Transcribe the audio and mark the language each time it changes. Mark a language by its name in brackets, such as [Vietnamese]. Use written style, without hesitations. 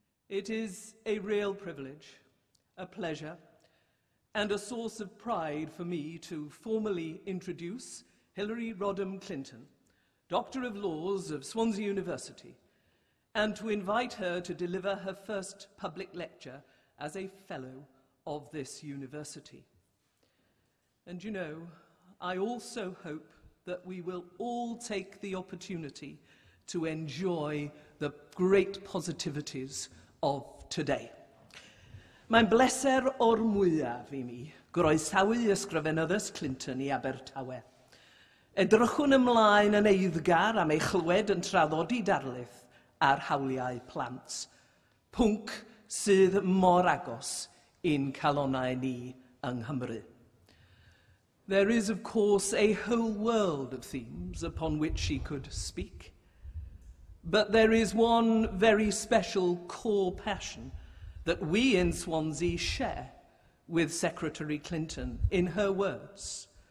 [English] It is a real privilege, a pleasure, and a source of pride for me to formally introduce Hillary Rodham Clinton, Doctor of Laws of Swansea University, and to invite her to deliver her first public lecture as a fellow of this university. And you know, I also hope that we will all take the opportunity to enjoy the great positivities of today. [Welsh] Mae'n bleser o'r mwyaf I mi groesawu ysgrifenyddus Clinton I Abertawe. Edrychwn ymlaen yn eiddgar am eich chlywed yn traddodi darlith a'r hawliau plant, pwnc sydd mor agos i'n calonau ni yng Nghymru. [English] There is, of course, a whole world of themes upon which she could speak, but there is one very special core passion that we in Swansea share with Secretary Clinton in her words.